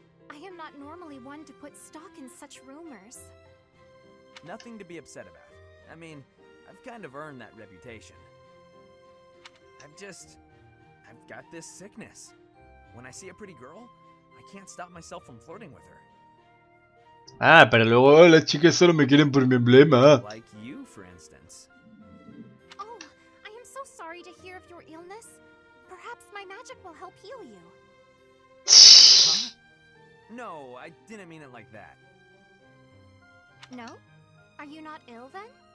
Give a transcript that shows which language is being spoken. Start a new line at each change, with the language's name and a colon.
English: I am not normally one to put stock in such rumors. Nothing to be upset about. I mean, I've kind of earned that reputation. I've got this sickness. When I see a pretty girl, I can't stop myself from flirting with her.
Spanish: Ah, pero luego las chicas solo me quieren por mi emblema.
English: Like you, for instance. Oh, I am so sorry to hear of your illness. Perhaps my magic will help heal you. Huh? No, I didn't mean it like that. No? Are you not ill, then?